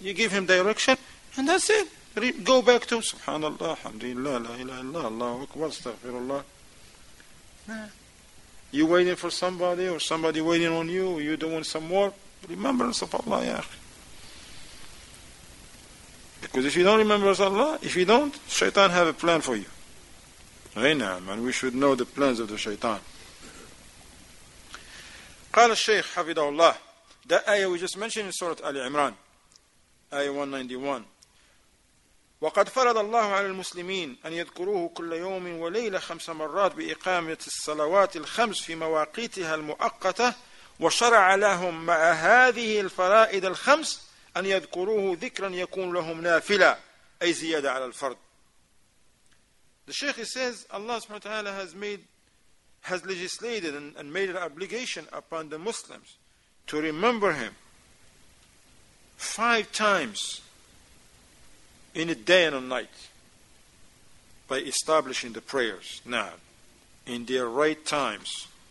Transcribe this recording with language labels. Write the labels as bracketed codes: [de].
[en] You give him direction, and that's it. Go back to Subhanallah. Alhamdulillah. La ilaha illallah. Allahu akbar. Astaghfirullah. You waiting for somebody or somebody waiting on you or you doing some work remembrance of Allah ya. Because if you don't remember Allah if you don't shaitan have a plan for you and we should know the plans of the shaitan [ar] قال الشيخ حفظه الله [en] the ayah we just mentioned in Surah Ali Imran ayah 191 [ar] وقد فرض الله على المسلمين أن يذكروه كل يوم وليلة خمس مرات بإقامة الصلوات الخمس في مواقيتها المؤقتة وشرع لهم مع هذه الفرائض الخمس أن يذكروه ذكرا يكون لهم نافلة أي زيادة على الفرض. [en] The Sheikh says Allah [ar] سبحانه وتعالى [en] has legislated and made an obligation upon the Muslims to remember him five times. In a day and a night, by establishing the prayers now, in their right times.